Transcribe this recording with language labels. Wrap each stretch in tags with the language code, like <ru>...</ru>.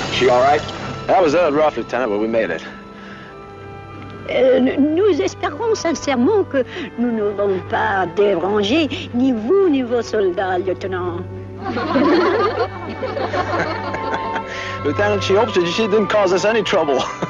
<en>It was a little rough, Lieutenant, but we made it.</en> <fr>Nous espérons sincèrement que nous n'aurons pas dérangé ni vous ni vos soldats, Lieutenant.</fr> <en>Lieutenant, she hopes that she didn't cause us any trouble.</en>